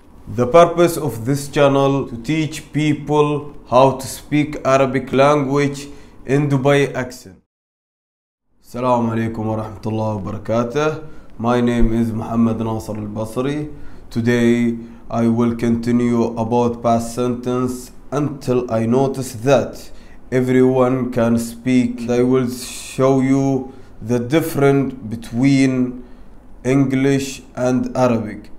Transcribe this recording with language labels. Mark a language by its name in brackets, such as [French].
[English] The purpose of this channel to teach people how to speak Arabic language in Dubai accent. [Arabic] السلام عليكم ورحمة الله وبركاته. [English] My name is Mohamed Nasir Albasri. Today I will continue about past sentence until I notice that everyone can speak. I will show you the difference between English and Arabic.